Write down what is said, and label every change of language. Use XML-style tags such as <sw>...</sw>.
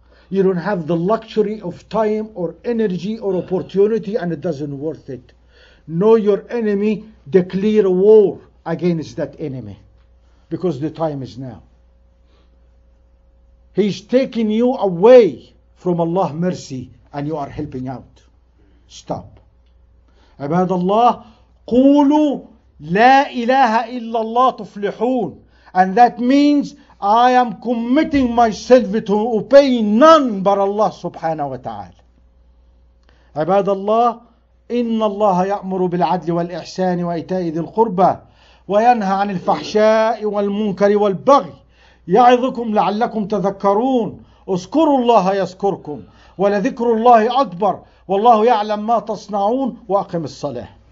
<en>You don't have the luxury of time or energy or opportunity and it doesn't worth it. Know your enemy, declare war against that enemy because the time is now. He's taking you away from Allah's mercy and you are helping out. Stop.</en> <ar>Ibad Allah, قولوا لا إله إلا الله تفلحون.</ar> <en>And that means I am committing myself to obey none but Allah subhanahu wa ta'ala.</en> <ar>Ibad Allah, إن الله يأمر بالعدل والإحسان وإيتاء ذي القربى وينهى عن الفحشاء والمنكر والبغي يعظكم لعلكم تذكرون اذكروا الله يذكركم ولذكر الله أكبر والله يعلم ما تصنعون وأقم الصلاة.</ar>